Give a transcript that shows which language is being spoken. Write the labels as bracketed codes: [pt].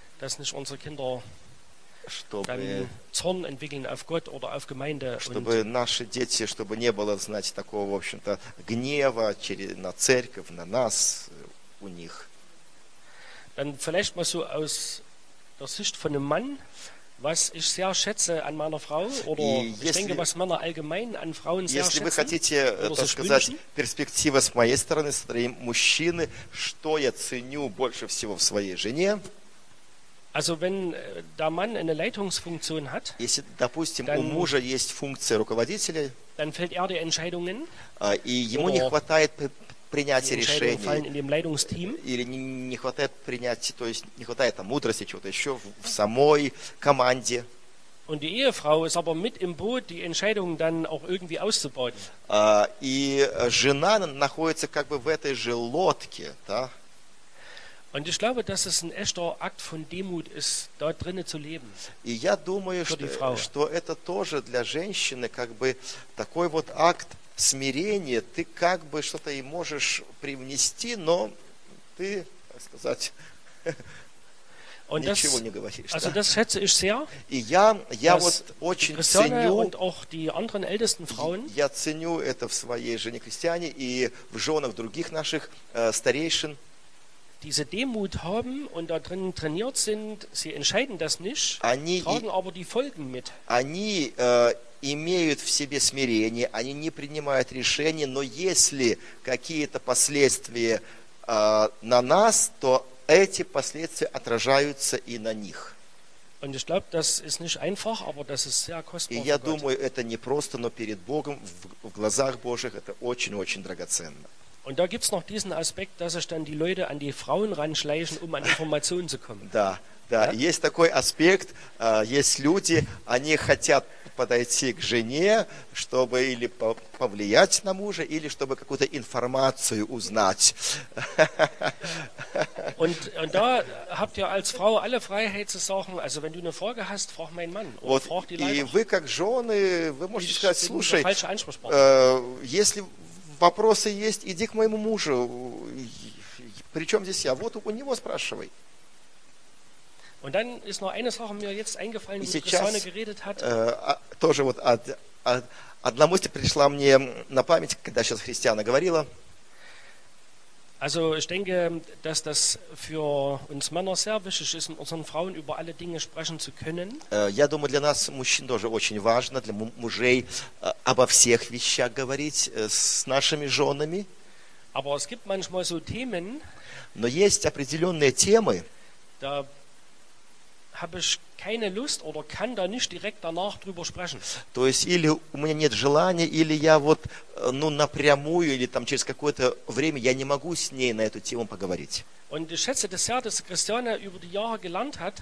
[de] Dass nicht unsere Kinder [ru] чтобы [de] Zorn entwickeln auf Gott oder auf Gemeinde. [ru] Чтобы [de] und [ru] наши дети, чтобы не было, знаете, такого, в общем-то, гнева на церковь, на нас, у них. [de] Dann vielleicht mal so aus der Sicht von einem Mann, was ich sehr schätze an meiner Frau, oder [ru] если, [de] ich denke, was Männer allgemein an Frauen sehr [ru] если [de] schätzen, [ru] если вы хотите, так сказать, перспектива с моей стороны, с стороны мужчины, что я ценю больше всего в своей жене, [de] also wenn der Mann eine Leitungsfunktion hat, [ru] если, допустим, у мужа есть функция руководителя, [de] dann fällt er die Entscheidungen. [ru] И ему не хватает принятия решений. [de] Fallen in dem Leitungsteam. [ru] Или не хватает принятия, то есть не хватает там мудрости чего-то еще в самой команде. [de] Und die Ehefrau ist aber mit im Boot, die Entscheidung dann auch irgendwie auszubauen. [ru] И жена находится как бы в этой же лодке, да? [de] Und ich glaube, dass es ein echter Akt von Demut ist, dort drinnen zu leben. [ru] И я думаю, что это тоже для женщины как бы такой вот акт смирения. Ты как бы что-то и можешь привнести, но ты, так сказать... [de] Und [ru] ничего не говоришь. [de] Also das schätze ich sehr. [ru] И я вот очень ценю. [de] Und auch die anderen ältesten Frauen. [ru] Я ценю это в своей жене Кристиане и в женах других наших старейшин. [de] Diese Demut haben und da drin trainiert sind, sie entscheiden das nicht, [ru] они [de] tragen aber die Folgen mit. [ru] Они имеют в себе смирение, они не принимают решения, но если какие-то последствия на нас, то эти последствия отражаются и на них. [de] Und ich glaub, das ist nicht einfach, aber das ist sehr kostbar. [ru] И я думаю, это не просто, но перед Богом, в глазах Божьих, это очень-очень драгоценно. [de] Und da gibt's noch diesen Aspekt, dass sich dann die Leute an die Frauen ranschleichen, um an Informationen zu kommen. [ru] Да, да, [de] ja? [ru] Есть такой Аспект, есть люди, они хотят подойти к жене, чтобы или повлиять на мужа, или чтобы какую-то информацию узнать. [de] Und da habt ihr als Frau alle Freiheit zu sagen, also wenn du eine Frage hast, frag meinen Mann. [ru] Вот, [de] frag die Leiter. [ru] И вы как жены, вы можете [de] ich [ru] сказать, слушай, если вопросы есть, иди к моему мужу. Причем здесь я? Вот у него спрашивай. [de] Und dann ist noch eine Sache mir jetzt eingefallen, wie Christiane geredet hat. [ru] Тоже вот одна мысль пришла мне на память, когда сейчас Христиана говорила. [de] Also ich denke, dass das für uns Männer sehr wichtig ist, mit unseren Frauen über alle Dinge sprechen zu können. [ru] Я думаю, для нас мужчин тоже очень важно, для мужей обо всех вещах говорить с нашими женами. [de] Aber es gibt manchmal so Themen. [ru] Но есть определенные темы. [de] Da habe ich keine Lust oder kann da nicht direkt danach drüber sprechen. [ru] То есть или у меня нет желания, или я вот ну напрямую или там через какое-то время я не могу с ней на эту тему поговорить. [de] Und ich schätze das sehr, dass Christiane über die Jahre gelernt hat.